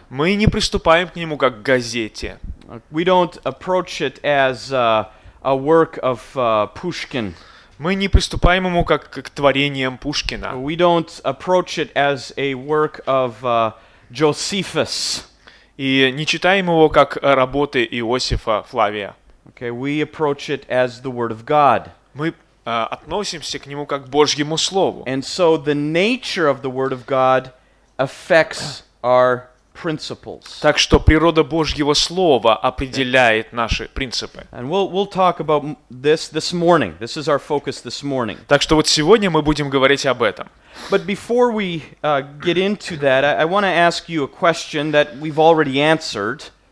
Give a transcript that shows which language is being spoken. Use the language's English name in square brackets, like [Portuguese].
[Russian] Мы не приступаем к нему как к газете. [English] We don't approach it as a work of Pushkin. [Russian] Мы не приступаем ему как к творениям Пушкина. [English] We don't approach it as a work of Josephus. [Russian] И не читаем его как работы Иосифа Флавия. [English] Okay, we approach it as the Word of God. [Russian] Мы относимся к нему как к Божьему Слову. [English] And so the nature of the Word of God affects our principles. [Russian] Так что природа Божьего Слова определяет наши принципы. [English] And we'll talk about this morning. This is our focus this morning. [Russian] Так что вот сегодня мы будем говорить об этом. [English] But before we get into that, I want to ask you a question that we've already answered.